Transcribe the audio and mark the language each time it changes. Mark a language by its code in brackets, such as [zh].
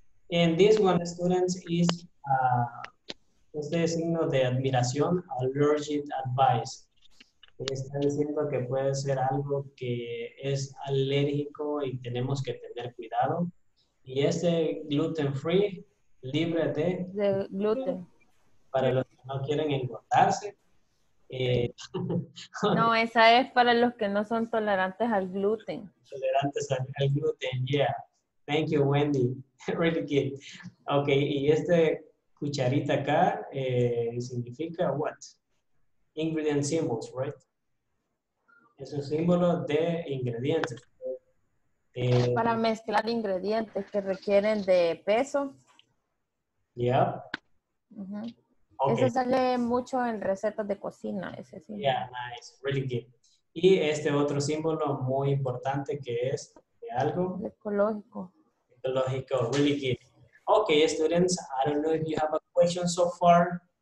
[en] And this one, students, is [es] este signo de [en] admiration, allergic advice. [es] Está diciendo que puede ser algo que es alérgico y tenemos que tener cuidado. Y este gluten free, libre de gluten. Para los que no quieren engordarse. No, esa es para los que no son tolerantes al gluten. Tolerantes al gluten, [en] yeah. Thank you, Wendy. Really good. [es] Okay, y este cucharita acá significa [en] what? Ingredient symbols, right? [es] Es un símbolo de ingredientes. Para mezclar ingredientes que requieren de peso. Ya. Yeah. Uh-huh. Okay. Eso sale mucho en recetas de cocina, ese símbolo. [en] Yeah, nice. Really good. [es] Y este otro símbolo muy importante que es de algo. Ecológico. Ecológico. [en] Really good. Okay, students, I don't know if you have a question so far.